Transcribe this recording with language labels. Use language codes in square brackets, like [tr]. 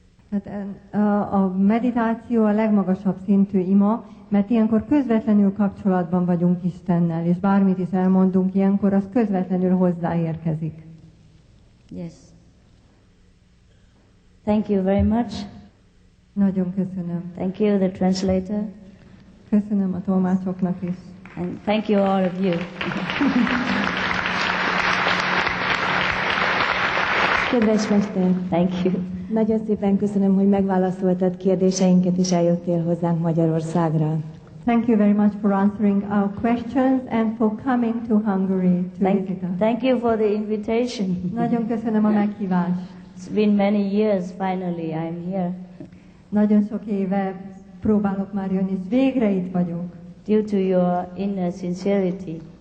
[hu] Hát a meditáció a legmagasabb szintű ima, mert ilyenkor közvetlenül kapcsolatban vagyunk Istennel, és bármit is elmondunk ilyenkor, az közvetlenül hozzáérkezik. [en] Yes. Thank you very much. [hu] Nagyon köszönöm. [en] Thank you, the translator. [hu] Köszönöm a tolmácsoknak is. [en] And thank you all of you. [hu] Kedves mester. [en] Thank you. [hu] Nagyon szépen köszönöm, hogy megválaszoltad kérdéseinket és eljöttél hozzánk Magyarországra. [en] Thank you very much for answering our questions and for coming to Hungary to visit us. Thank you for the invitation. [hu] Nagyon köszönöm a meghívást. [en] It's been many years, finally I'm here. [hu] Nagyon sok éve próbálok már jönni, és végre itt vagyok. [en] Due to your inner sincerity.